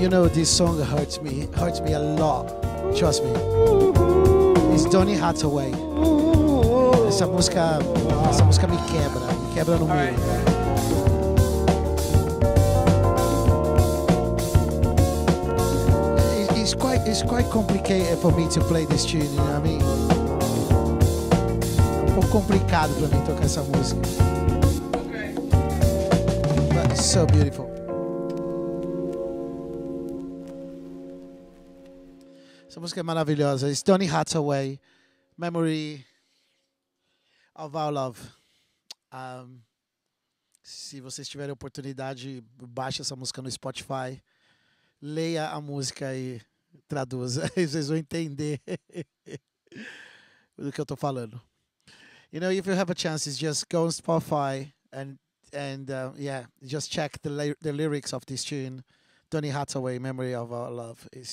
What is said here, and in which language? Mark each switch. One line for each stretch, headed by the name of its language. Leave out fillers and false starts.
English: You know, this song hurts me a lot. Trust me. It's Donny Hathaway.
Portuguese: Essa música me quebra no meio.
English: It's quite complicated for me to play this tune, you know what I mean?
Portuguese: É um pouco complicado pra mim tocar essa música. Okay.
English: But it's so beautiful.
Portuguese: Essa música é maravilhosa.
English: It's Donny Hathaway, Memory of Our Love.
Portuguese: Se vocês tiverem a oportunidade, baixe essa música no Spotify. Leia a música aí. Traduza, vocês vão entender do que eu tô falando.
English: You know, if you have a chance, just go on Spotify and just check the lyrics of this tune, Donny Hathaway, Memory of Our Love.